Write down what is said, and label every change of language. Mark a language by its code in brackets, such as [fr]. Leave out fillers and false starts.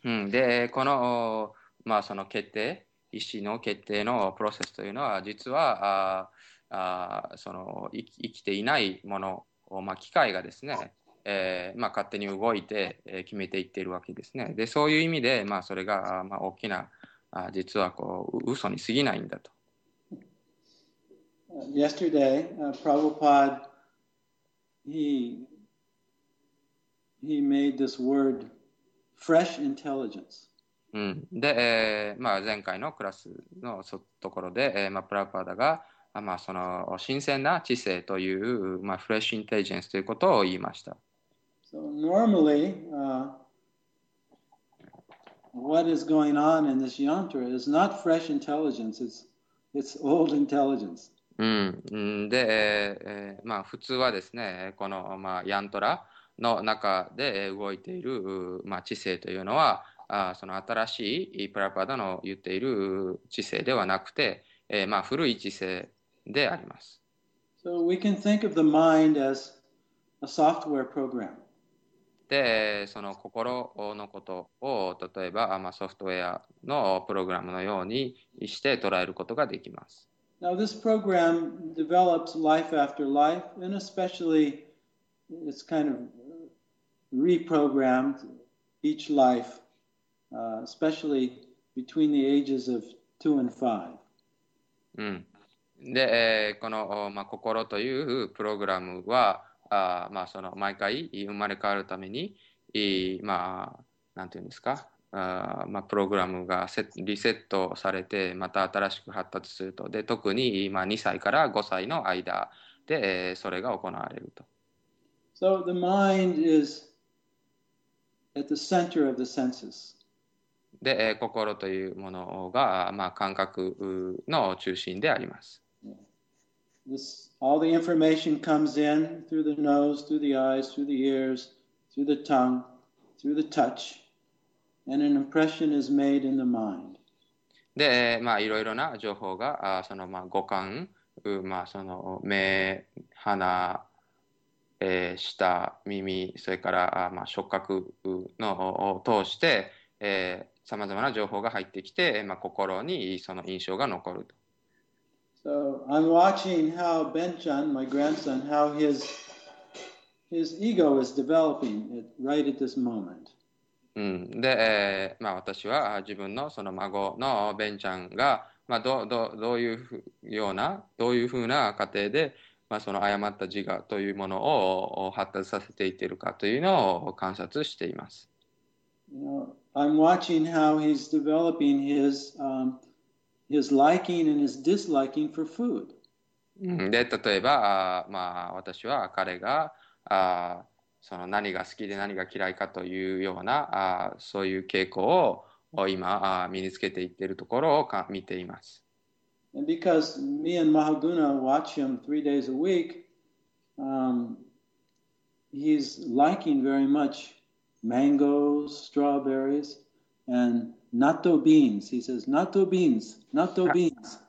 [ja] で、この、まあ、その決定、意思の決定のプロセスというのは、実はその生きていないもの、まあ、機械がですね、まあ、勝手に動いて決めていっているわけですね。で、そういう意味で、まあ、それが、まあ、大きな、実はこう嘘に過ぎないんだと。 [en] Yesterday, Prabhupada, he made this word fresh intelligence. [ja] で、まあ、前回のクラスのところで、まあ、プラパダが、まあ、その新鮮な知性という、まあ、フレッシュインテリジェンスということを言いました。 [en] So normally, what is going on in this yantra is not fresh intelligence, it's old intelligence. [ja] で、まあ普通はですね、この、まあ、ヤントラの中で動いている、まあ、知性というのは、あ、その新しいプラパダの言っている知性ではなくて、まあ、古い知性であります。 [en] So we can think of the mind as a software program. [ja] で、その心のことを例えば、まあ、ソフトウェアのプログラムのようにして捉えることができます。 [en] Now this program develops life after life, and especially it's kind of reprogrammed each life, especially between the ages of 2 and 5. [ja] で、この、まあ、心というプログラムは、あ、まあ、その毎回生まれ変わるために、まあ、なんていうんですか、あ、まあ、プログラムがリセットされて、また新しく発達すると。で、特に、まあ、2歳から5歳の間で、それが行われると。 [en] So the mind is at the center of the senses. [ja] で、心というものが、まあ、感覚の中心であります。 [en] This, all the information comes in through the nose, through the eyes, through the ears, through the tongue, through the touch, and an impression is made in the mind. [ja] で、まあ、いろいろな情報が、その、まあ、五感、まあ、その目、鼻、舌、耳、それから、まあ、触覚のを通して、さまざまな情報が入ってきて、まあ、心にその印象が残ると。 [en] So I'm watching how Benchan, my grandson, how his ego is developing it right at this moment. [ja] で、まあ、私は自分のその孫のベンちゃんが、まあ、どういうふうな過程で、まあ、その誤った自我というものを発達させていっているかというのを観察しています。 [en] I'm watching how he's developing his, his liking and his disliking for food. [ja] で、例えば、まあ、私は彼が、その何が好きで何が嫌いかというような、そういう傾向を今、身につけていっているところを見ています。 [en] And because me and Mahaguna watch him 3 days a week, he's liking very much mangoes, strawberries, and natto beans. He says, natto beans, natto beans.